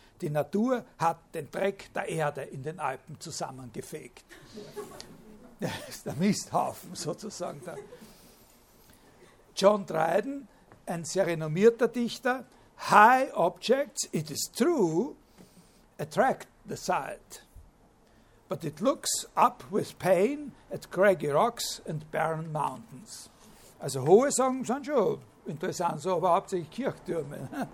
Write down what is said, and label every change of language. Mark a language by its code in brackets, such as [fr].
[de] Die Natur hat den Dreck der Erde in den Alpen zusammengefegt. Das ist der Misthaufen sozusagen da. John Dryden, ein sehr renommierter Dichter, [en] high objects, it is true, attract the sight. But it looks up with pain at craggy rocks and barren mountains. [de] Also hohe Sachen sind schon interessant, so, aber hauptsächlich Kirchtürme.